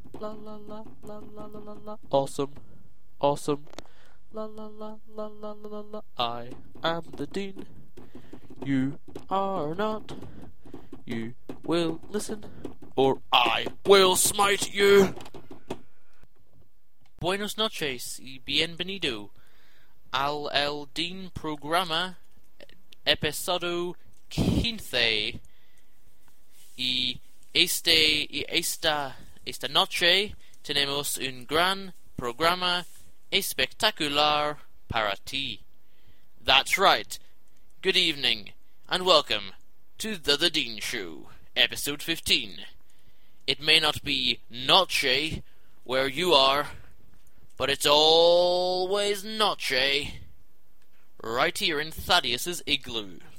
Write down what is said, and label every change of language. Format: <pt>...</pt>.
<en>La la la la la la la la. Awesome, awesome. La la la la la la la la. I am the Dean. You are not. You will listen, or I will smite you.</en> <es>Buenos noches y bienvenido al El Dean Programa, episodio 15. Y esta noche tenemos un gran programa espectacular para ti.</es> <en>That's right. Good evening and welcome to the Dean Show, episode 15. It may not be noche where you are, but it's always noche right here in Thaddeus's igloo.</en>